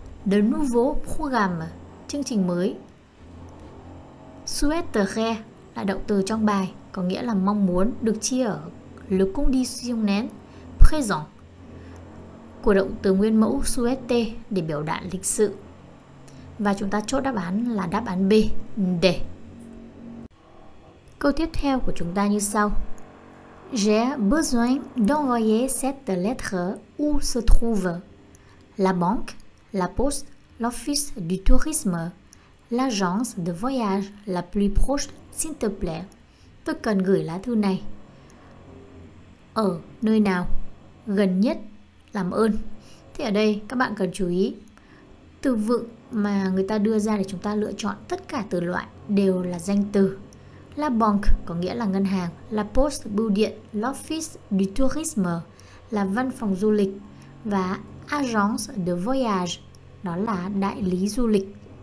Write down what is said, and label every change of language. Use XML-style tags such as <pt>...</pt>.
<fr>De nouveau programme,</fr> <vi>chương trình mới. Souhaiterais là động từ trong bài, có nghĩa là mong muốn, được chia ở le conditionnel présent của động từ nguyên mẫu souhaiter để biểu đạt lịch sự. Và chúng ta chốt đáp án là đáp án B, để. Câu tiếp theo của chúng ta như sau:</vi> <fr>J'ai besoin d'envoyer cette lettre où se trouve la banque, la poste, l'office du tourisme, l'agence de voyage la plus proche, s'il te plaît.</fr> <vi>Tôi cần gửi lá thư này ở nơi nào gần nhất, làm ơn. Thì ở đây các bạn cần chú ý, từ vựng mà người ta đưa ra để chúng ta lựa chọn tất cả từ loại đều là danh từ. La banque có nghĩa là ngân hàng, la poste bưu điện, l'office du tourisme là văn phòng du lịch, và agence de voyage đó là đại lý du lịch.</vi>